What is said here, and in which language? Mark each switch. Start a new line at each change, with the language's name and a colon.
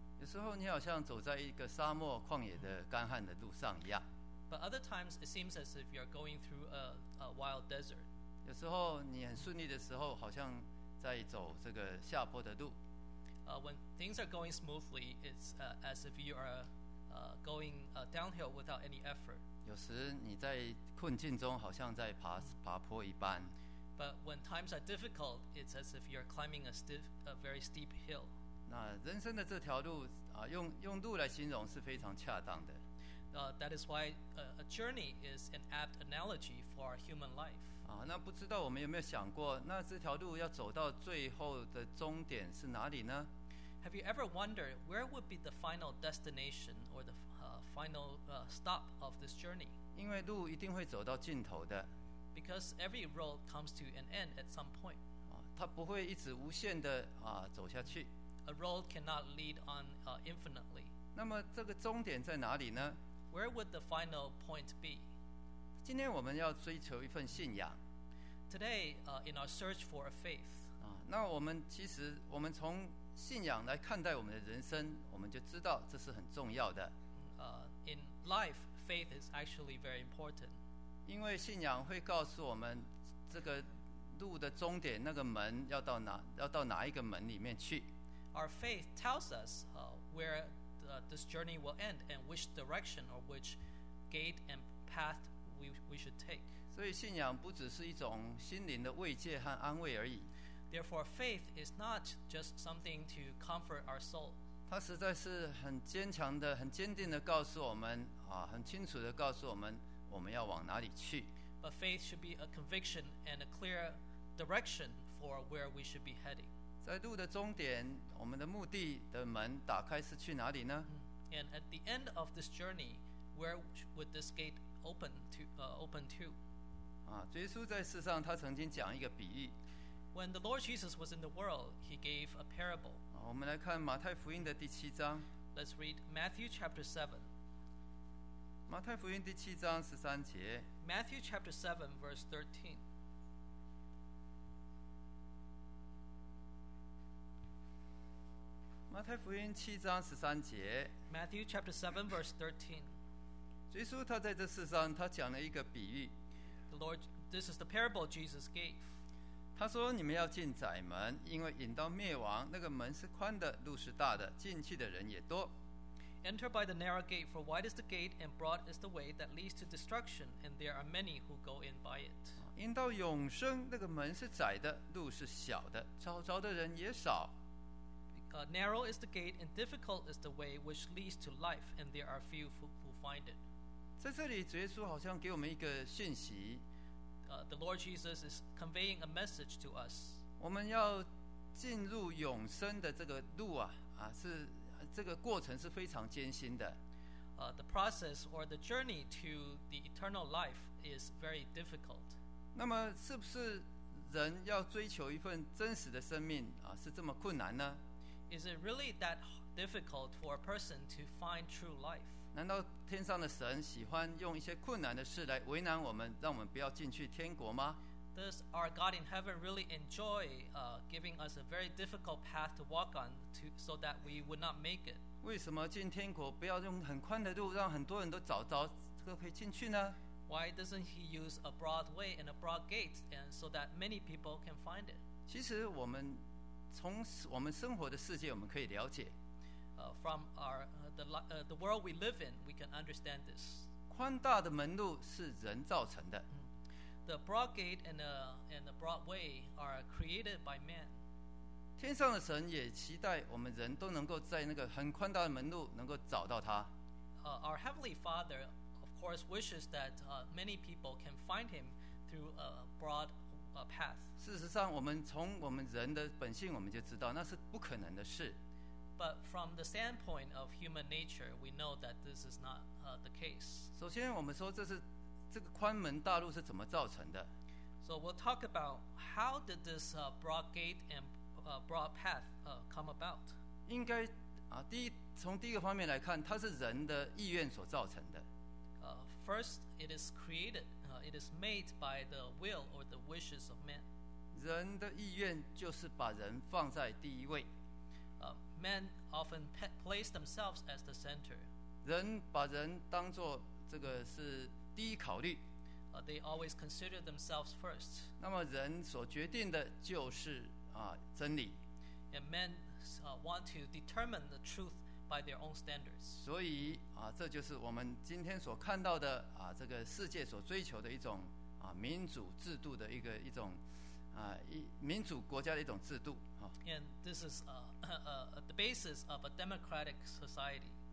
Chinese: 有时候你好像走在一个沙漠旷野的干旱的路上一样。
English: But other times it seems as if you are going through a wild desert.
Chinese: 有时候你很顺利的时候，好像在走这个下坡的路。
English: When things are going smoothly, it's as if you are going downhill without any effort.
Chinese: 有时你在困境中好像在爬坡一般。
English: But when times are difficult, it's as if you're climbing a very steep hill.
Chinese: 那人生的这条路用路来形容是非常恰当的。
English: That is why a journey is an apt analogy for our human life.
Chinese: 那不知道我们有没有想过，那这条路要走到最后的终点是哪里呢？
English: Have you ever wondered where would be the final destination or the final stop of this journey?
Chinese: 因为路一定会走到尽头的。
English: Because every road comes to an end at some point.
Chinese: 它不会一直无限的走下去。
English: A road cannot lead on infinitely.
Chinese: 那么这个终点在哪里呢？
English: Where would the final point be?
Chinese: 今天我们要追求一份信仰。
English: Today, in our search for a faith.
Chinese: 那我们其实我们从信仰来看待我们的人生，我们就知道这是很重要的。
English: In life, faith is actually very important.
Chinese: 因为信仰会告诉我们这个路的终点，那个门要到哪一个门里面去。
English: Our faith tells us where this journey will end and which direction or which gate and path we should take.
Chinese: 所以信仰不只是一种心灵的慰藉和安慰而已。
English: Therefore, faith is not just something to comfort our soul.
Chinese: 它实在是很坚强的、很坚定的告诉我们，很清楚的告诉我们，我们要往哪里去。
English: But faith should be a conviction and a clear direction for where we should be heading.
Chinese: 在路的终点，我们的目的的门打开是去哪里呢？
English: And at the end of this journey, where would this gate open to? Open to?
Chinese: 主耶稣在世上，他曾经讲一个比喻。
English: When the Lord Jesus was in the world, he gave a parable.
Chinese: 我们来看马太福音的第七章。
English: Let's read Matthew chapter 7.
Chinese: 马太福音第七章十三节。
English: Matthew chapter 7, verse 13.
Chinese: 马太福音七章十三节。
English: Matthew chapter 7, verse 13.
Chinese: 耶稣他在这世上，他讲了一个比喻。
English: This is the parable Jesus gave.
Chinese: 他说你们要进窄门，因为引到灭亡，那个门是宽的，路是大的，进去的人也多。
English: Enter by the narrow gate, for wide is the gate and broad is the way that leads to destruction, and there are many who go in by it.
Chinese: 引到永生，那个门是窄的，路是小的，找着的人也少。
English: Narrow is the gate and difficult is the way which leads to life, and there are few who find it.
Chinese: 在这里主耶稣好像给我们一个讯息。
English: The Lord Jesus is conveying a message to us.
Chinese: 我们要进入永生的这个路是这个过程是非常艰辛的。
English: The process or the journey to the eternal life is very difficult.
Chinese: 那么是不是人要追求一份真实的生命是这么困难呢？
English: Is it really that difficult for a person to find true life?
Chinese: 难道天上的神喜欢用一些困难的事来为难我们，让我们不要进去天国吗？
English: Does our God in heaven really enjoy giving us a very difficult path to walk on so that we would not make it?
Chinese: 为什么进天国不要用很宽的路，让很多人都找着这个可以进去呢？
English: Why doesn't he use a broad way and a broad gate and so that many people can find it?
Chinese: 其实我们从我们生活的世界我们可以了解。
English: From our the world we live in, we can understand this.
Chinese: 宽大的门路是人造成的。
English: The broad gate and the broad way are created by man.
Chinese: 天上的神也期待我们人都能够在那个很宽大的门路能够找到他。
English: Our heavenly Father, of course, wishes that many people can find him through a broad path.
Chinese: 事实上，我们从我们人的本性，我们就知道那是不可能的事。
English: But from the standpoint of human nature, we know that this is not the case.
Chinese: 首先我们说这个宽门大路是怎么造成的。
English: So we'll talk about how did this broad gate and broad path come about.
Chinese: 应该从第一个方面来看，它是人的意愿所造成的。
English: First, it is created. It is made by the will or the wishes of man.
Chinese: 人的意愿就是把人放在第一位。
English: Men often place themselves as the center.
Chinese: 人把人当作这个是第一考虑。
English: They always consider themselves first.
Chinese: 那么人所决定的就是真理。
English: And men want to determine the truth by their own standards.
Chinese: 所以这就是我们今天所看到的这个世界所追求的一种民主制度的一种。民主国家的一种制度。
English: And this is the basis of a democratic society.